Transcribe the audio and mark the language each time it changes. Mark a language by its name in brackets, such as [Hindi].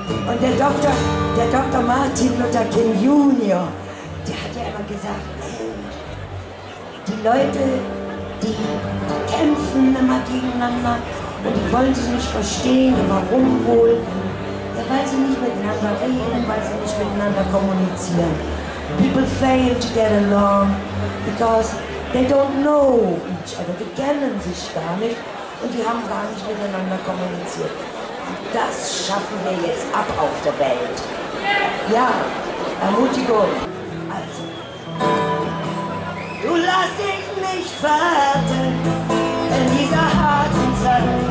[German] Und der Dr. Martin Luther King Jr., der hat ja immer gesagt, die Leute, die kämpfen immer gegeneinander, und die wollen sie nicht verstehen, warum wohl? Ja, weil sie nicht miteinander reden, weil sie nicht miteinander kommunizieren. [English] People fail to get along, because they don't know each other. [German] Die kennen sich gar nicht und die haben gar nicht miteinander kommuniziert. Und das schaffen wir jetzt ab auf der Welt. Ja, Ermutigung. Also. Du lass dich nicht verhärten in dieser harten Zeit.